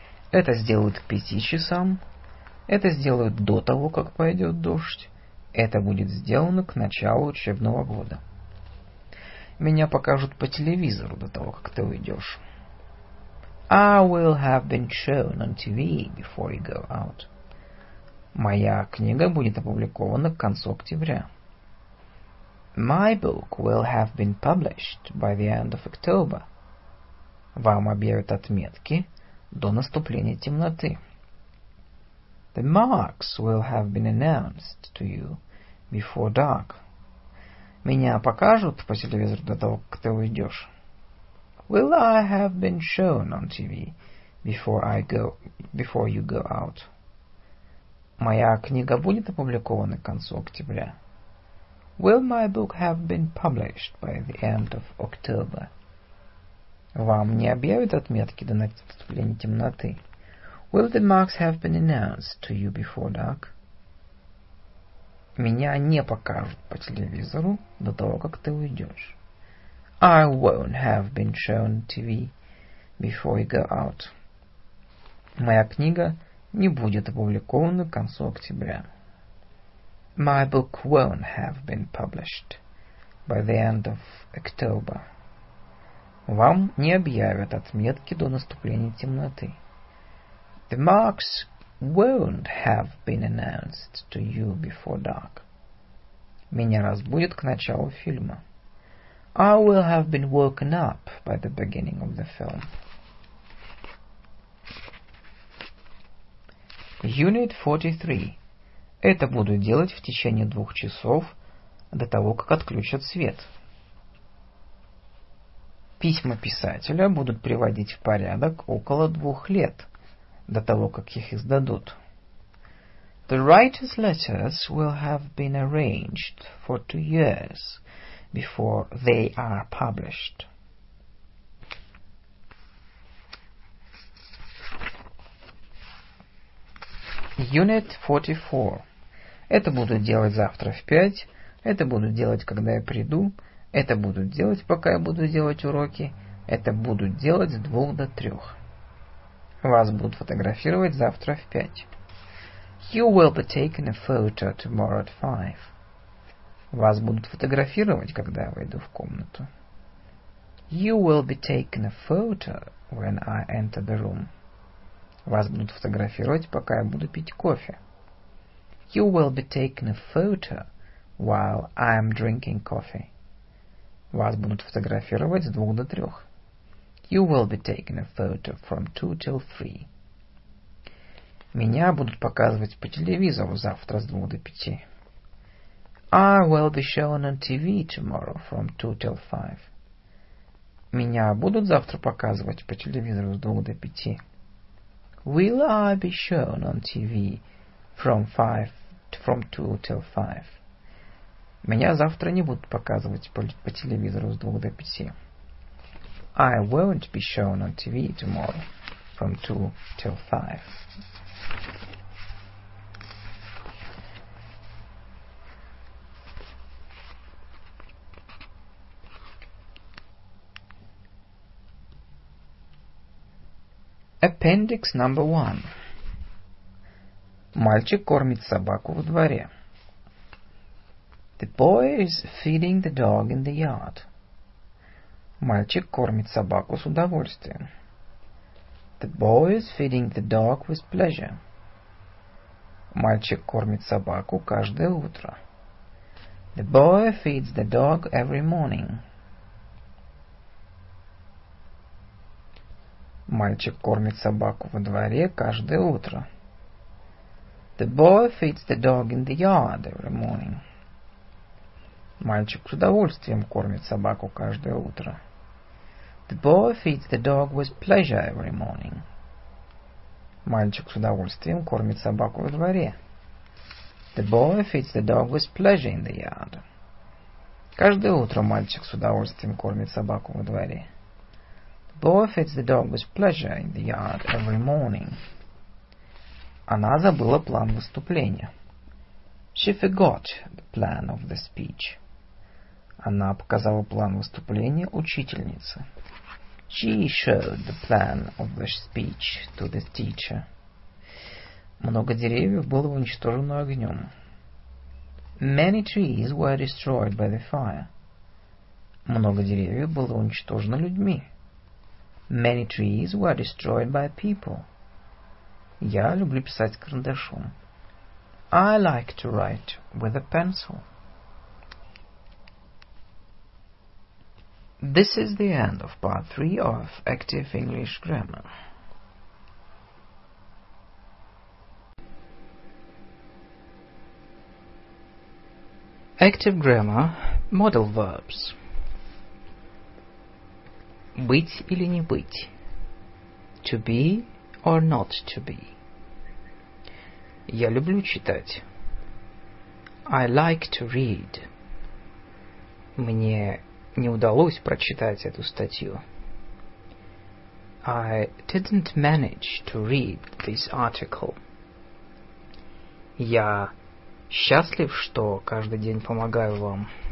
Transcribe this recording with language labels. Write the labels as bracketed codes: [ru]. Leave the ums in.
[ru] Это сделают к пяти часам. Это сделают до того, как пойдет дождь. Это будет сделано к началу учебного года. Меня покажут по телевизору до того, как ты уйдешь. [en] I will have been shown on TV before you go out. [ru] Моя книга будет опубликована к концу октября. [en] My book will have been published by the end of October. [ru] Вам объявят отметки до наступления темноты. [en] The marks will have been announced to you before dark. [ru] Меня покажут по телевизору до того, как ты уйдешь. [en] Will I have been shown on TV before I go before you go out? [ru] Моя книга будет опубликована к концу октября. [en] Will my book have been published by the end of October? [ru] Вам не объявят отметки до наступления темноты. [en] Will the marks have been announced to you before dark? [ru] Меня не покажут по телевизору до того, как ты уйдешь. [en] I won't have been shown TV before you go out. [ru] Моя книга не будет опубликована к концу октября. [en] My book won't have been published by the end of October. [ru] Вам не объявят отметки до наступления темноты. [en] The marks won't have been announced to you before dark. [ru] Меня разбудят к началу фильма. [en] I will have been woken up by the beginning of the film. Unit 43. [ru] Это буду делать в течение двух часов до того, как отключат свет. Письма писателя будут приводить в порядок около двух лет – до того, как их издадут. [en] The writer's letters will have been arranged for two years before they are published. Unit 44. [ru] Это буду делать завтра в пять. это буду делать, когда я приду, это буду делать, пока я буду делать уроки, это буду делать с двух до трех. Вас будут фотографировать завтра в пять. [en] You will be taken a photo tomorrow at five. [ru] Вас будут фотографировать, когда я войду в комнату. [en] You will be taken a photo when I enter the room. [ru] Вас будут фотографировать, пока я буду пить кофе. [en] You will be taken a photo while I am drinking coffee. [ru] Вас будут фотографировать с двух до трех. [en] You will be taken a photo from 2 till 3. [ru] Меня будут показывать по телевизору завтра с 2 до 5. [en] I will be shown on TV tomorrow from 2 till 5. [ru] Меня будут завтра показывать по телевизору с 2 до 5. [en] Will I be shown on TV from 5 from 2 till 5? [ru] Меня завтра не будут показывать по, по телевизору с 2 до 5. [en] I won't be shown on TV tomorrow from 2 till 5. Appendix number one. [ru] Мальчик кормит собаку во дворе. [en] The boy is feeding the dog in the yard. [ru] Мальчик кормит собаку с удовольствием. [en] The boy is feeding the dog with pleasure. [ru] Мальчик кормит собаку каждое утро. [en] The boy feeds the dog every morning. [ru] Мальчик кормит собаку во дворе каждое утро. [en] The boy feeds the dog in the yard every morning. [ru] Мальчик с удовольствием кормит собаку каждое утро. [en] The boy feeds the dog with pleasure every morning. [ru] Мальчик с удовольствием кормит собаку во дворе. [en] The boy feeds the dog with pleasure in the yard. [ru] Каждое утро мальчик с удовольствием кормит собаку во дворе. [en] The boy feeds the dog with pleasure in the yard every morning. [ru] Она забыла план выступления. [en] She forgot the plan of the speech. [ru] Она показала план выступления учительнице. [en] She showed the plan of the speech to the teacher. [ru] Много деревьев было уничтожено огнем. [en] Many trees were destroyed by the fire. [ru] Много деревьев было уничтожено людьми. [en] Many trees were destroyed by people. [ru] Я люблю писать карандашом. [en] I like to write with a pencil. This is the end of part 3 of Active English Grammar. Active Grammar Model Verbs [ru] Быть или не быть [en] To be or not to be. [ru] Я люблю читать. [en] I like to read. [ru] Мне не удалось прочитать эту статью. [en] I didn't manage to read this article. [ru] Я счастлив, что каждый день помогаю вам.